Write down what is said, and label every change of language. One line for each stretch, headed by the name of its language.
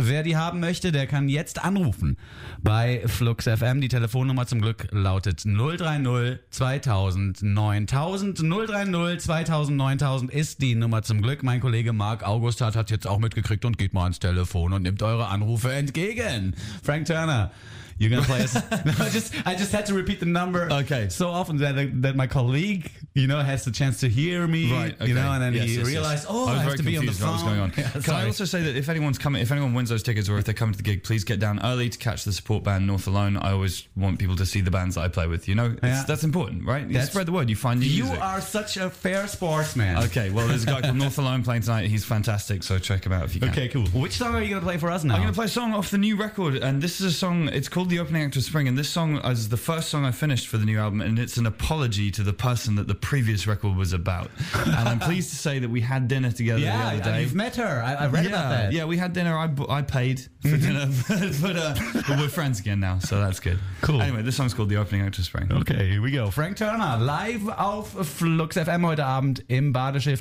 German: Wer die haben möchte, der kann jetzt anrufen bei Flux FM. Die Telefonnummer zum Glück lautet 030-2000-9000 ist die Nummer zum Glück. Mein Kollege Marc August hat jetzt auch mitgekriegt und geht mal ans Telefon und nimmt eure Anrufe entgegen.
English: Frank Turner, you're gonna play us. I just had to repeat the number so often that my colleague, you know, has the chance to hear me, you know, and then realized, I have to be on the phone. What was going on. Can I also say that if anyone wins those tickets or if they're coming to the gig, please get down early to catch the support band North Alone. I always want people to see the bands that I play with, you know, that's important, right? You spread the word, you find new music. You are such a fair sportsman. Okay, well, there's a guy called North Alone playing tonight. He's fantastic, so check him out if you can. Okay, cool. Which song are you gonna play for us now? I'm gonna play a song off the new record, and this is a song, it's called The Opening Act of Spring, and this song is the first song I finished for the new album, and it's an apology to the person that the previous record was about. And I'm pleased to say that we had dinner together the other day. Yeah, you've met her. I read about that. Yeah, we had dinner. I paid for dinner, but we're friends again now, so that's good. Cool. Anyway, this song's called The Opening Act of Spring. Okay, here we go.
German: Frank Turner, live auf Flux FM heute Abend im Badeschiff.